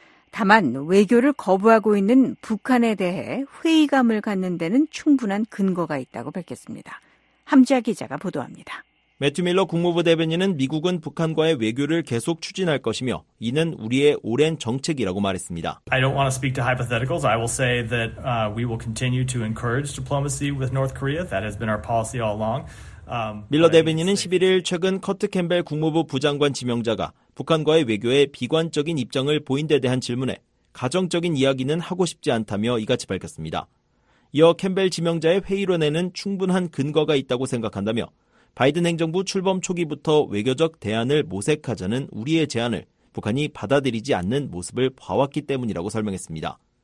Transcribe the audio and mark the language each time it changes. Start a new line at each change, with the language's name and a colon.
Korean: 다만 외교를 거부하고 있는 북한에 대해 회의감을 갖는 데는 충분한 근거가 있다고 밝혔습니다. 함지아 기자가 보도합니다. 매튜 밀러 국무부 대변인은 미국은 북한과의 외교를 계속 추진할 것이며 이는 우리의 오랜 정책이라고 말했습니다.
English: I don't want to speak to hypotheticals. I will say that we will continue to encourage diplomacy with North Korea. That has been our policy all along.
Korean: 밀러 대변인은 11일 최근 커트 캠벨 국무부 부장관 지명자가 북한과의 외교에 비관적인 입장을 보인 데 대한 질문에 가정적인 이야기는 하고 싶지 않다며 이같이 밝혔습니다. 이어 캠벨 지명자의 회의론에는 충분한 근거가 있다고 생각한다며 바이든 행정부 출범 초기부터 외교적 대안을 모색하자는 우리의 제안을 북한이 받아들이지 않는 모습을 봐왔기 때문이라고 설명했습니다.